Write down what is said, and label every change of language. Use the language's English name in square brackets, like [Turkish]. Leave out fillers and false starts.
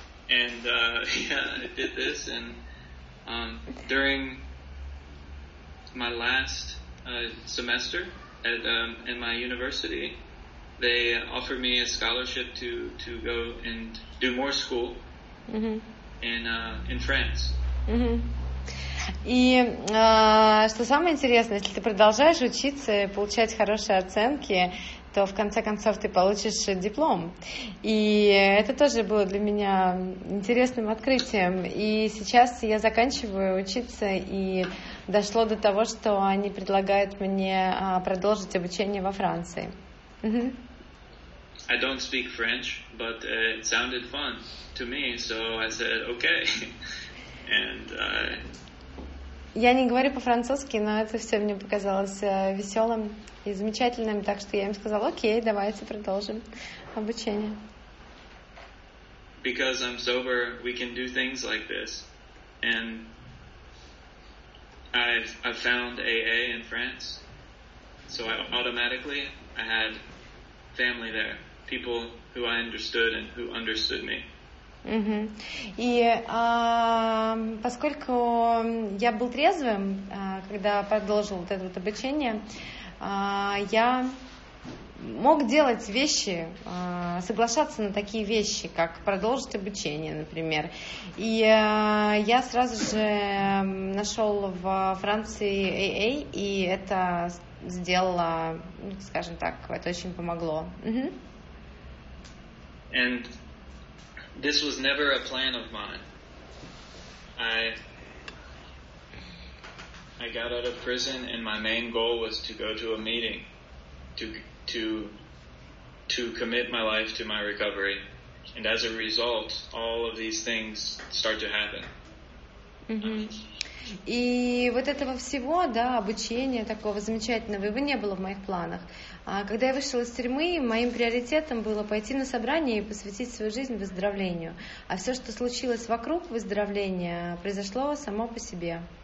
[English] I did this, and during my last semester at in my university, they offered me a scholarship to go and do more school in France. Mm-hmm. [Russian] И что самое интересное, если ты продолжаешь учиться и получать хорошие оценки, то в конце концов ты получишь диплом. И это тоже было для меня интересным открытием. И сейчас я заканчиваю учиться, и дошло до того, что они предлагают мне продолжить обучение во Франции. [English] I don't speak French, but it sounded fun to me, so I said okay. And [Russian] я не говорю по-французски, но это все мне показалось веселым и замечательным, так что я им сказала: окей, давайте продолжим обучение. [English] Because I'm sober, we can do things like this. And I found AA in France, so I automatically I had family there, people who I understood and who understood me. Угу. [Russian] И поскольку я был трезвым, когда продолжил вот это вот обучение, я мог делать вещи, соглашаться на такие вещи, как продолжить обучение, например. И я сразу же нашел во Франции AA, и это сделало, скажем так, это очень помогло. [English] And this was never a plan of mine. I got out of prison, and my main goal was to go to a meeting, to commit my life to my recovery. And as a result, all of these things start to happen. Mm-hmm. [Russian] И вот этого всего, да, обучения такого замечательного, его не было в моих планах. А когда я вышел из тюрьмы, моим приоритетом было пойти на собрание и посвятить свою жизнь выздоровлению. А все, что случилось вокруг выздоровления, произошло само по себе.